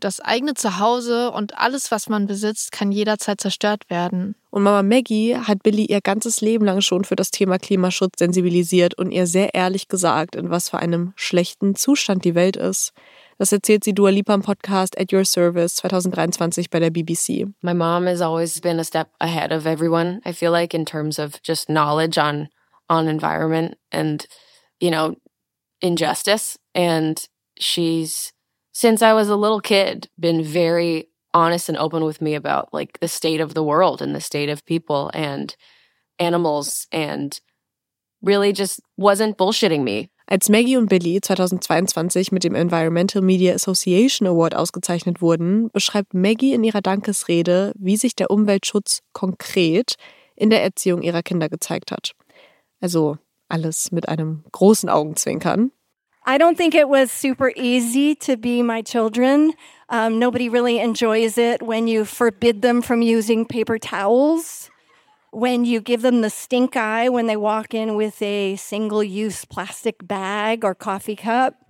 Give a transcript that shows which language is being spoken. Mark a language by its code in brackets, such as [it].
[de] Das eigene Zuhause und alles, was man besitzt, kann jederzeit zerstört werden. Und Mama Maggie hat Billie ihr ganzes Leben lang schon für das Thema Klimaschutz sensibilisiert und ihr sehr ehrlich gesagt, in was für einem schlechten Zustand die Welt ist. Das erzählt sie Dua Lipa im Podcast At Your Service 2023 bei der BBC. [en] My mom has always been a step ahead of everyone, I feel like, in terms of just knowledge on environment and, you know, injustice. And she's, since I was a little kid, been very honest and open with me about, like, the state of the world and the state of people and animals and really just wasn't bullshitting me. [de] Als Maggie und Billie 2022 mit dem Environmental Media Association Award ausgezeichnet wurden, beschreibt Maggie in ihrer Dankesrede, wie sich der Umweltschutz konkret in der Erziehung ihrer Kinder gezeigt hat. Also alles mit einem großen Augenzwinkern. [en] I don't think it was super easy to be my children. Nobody really enjoys it when you forbid them from using paper towels, when you give them the stink eye when they walk in with a single-use plastic bag or coffee cup.